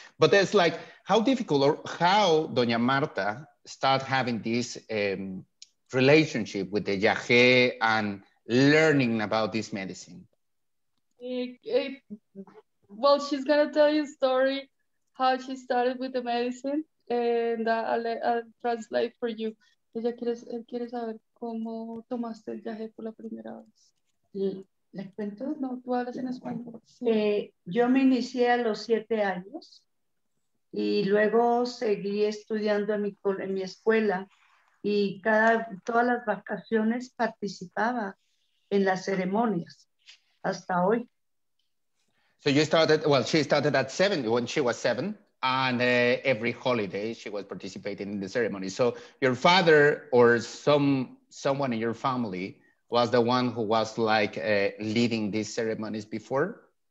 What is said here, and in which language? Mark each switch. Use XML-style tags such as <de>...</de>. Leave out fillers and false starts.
<en>But it's like, how difficult or how Doña Marta start having this relationship with the Yagé and learning about this medicine? Well, she's going to tell you a story how she started with the medicine, and I'll translate for you.</en> <es>Ella quiere saber cómo tomaste el viaje por la primera vez. ¿Les cuento? No, tú hablas en español. Sí. Yo me inicié a los 7 años y luego seguí estudiando en mi escuela y todas las vacaciones participaba en las ceremonias. Hasta hoy.</es> <en>So you started, well, she started at 7, when she was 7, and every holiday she was participating in the ceremony. So your father or someone in your family was the one who was like leading these ceremonies before?</en>